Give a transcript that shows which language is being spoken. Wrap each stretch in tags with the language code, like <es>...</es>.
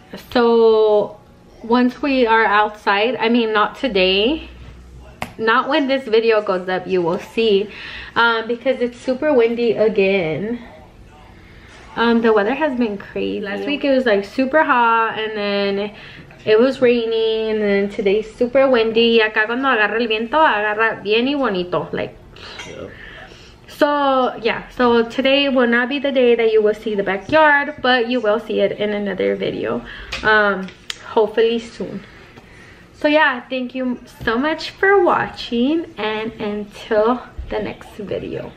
<en>So once we are outside, I mean, not today, not when this video goes up, you will see, because it's super windy again. The weather has been crazy. Last week it was like super hot, and then it was rainy, and then today's super windy.</en> <es>Y acá cuando agarra el viento, agarra bien y bonito, like.</es> <en>So yeah, so today will not be the day that you will see the backyard, but you will see it in another video, hopefully soon. So So yeah, thank you so much for watching, and until the next video.</en>